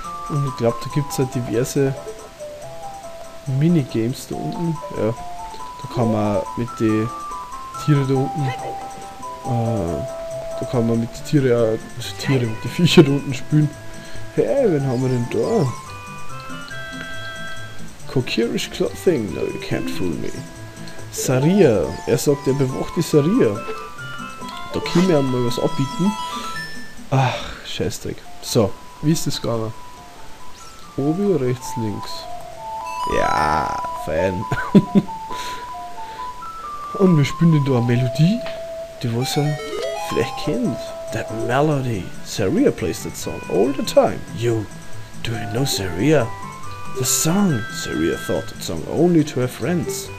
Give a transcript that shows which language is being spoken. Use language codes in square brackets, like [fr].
[de] Und ich glaube, da gibt es ja diverse Minigames da unten. Ja, da kann man mit den Tieren da unten, da kann man mit den Tieren, mit den Viechern da unten spielen. Hey, wen haben wir denn da? [en] Kokirish Clothing, no, you can't fool me. [de] Saria, er sagt, er bewacht die Saria. Da können wir mal was abbieten. Ach, Scheißdreck. So, wie ist das gegangen? Obi, rechts, links. Ja, fein. Und wir spielen da eine Melodie, die was er vielleicht kennt. [en] That melody. Saria plays that song all the time. You, do you know Saria? The song. Saria thought that song only to her friends.